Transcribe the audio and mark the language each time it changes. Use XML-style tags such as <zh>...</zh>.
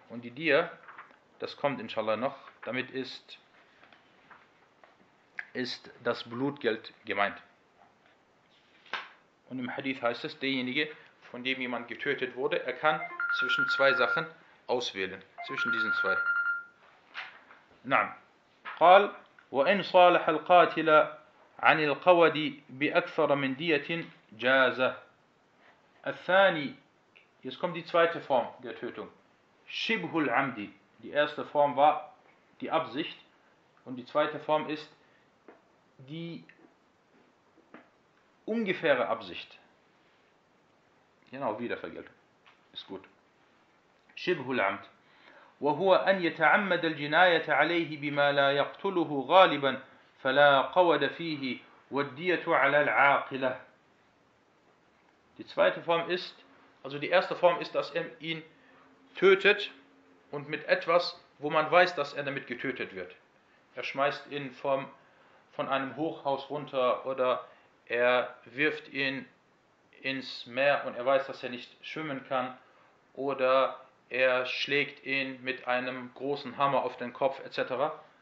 <de>Und die Diyah, das kommt inshallah noch, damit ist das Blutgeld gemeint. Und im Hadith heißt es, derjenige, von dem jemand getötet wurde, er kann zwischen zwei Sachen auswählen. Zwischen diesen zwei. Na'am.</de> <ar>قال وإن صالح القاتل عن القود بأكثر من دية جاز. الثاني.</ar> <de>Jetzt kommt die zweite Form der Tötung.</de> <ar>شبه العمد.</ar> <de>Die erste Form war die Absicht. Und die zweite Form ist die ungefähre Absicht. Genau, Wiedervergeltung. Ist gut.</de> <ar>شبه العمد. وهو أن يتعمد الجناية عليه بما لا يقتله غالبا فلا قود فيه والدية على العاقلة.</ar> <de>Die zweite Form ist, also die erste Form ist, dass er ihn tötet und mit etwas, wo man weiß, dass er damit getötet wird. Er schmeißt ihn von einem Hochhaus runter oder er wirft ihn ins Meer und er weiß, dass er nicht schwimmen kann oder er schlägt ihn mit einem großen Hammer auf den Kopf, etc.</de>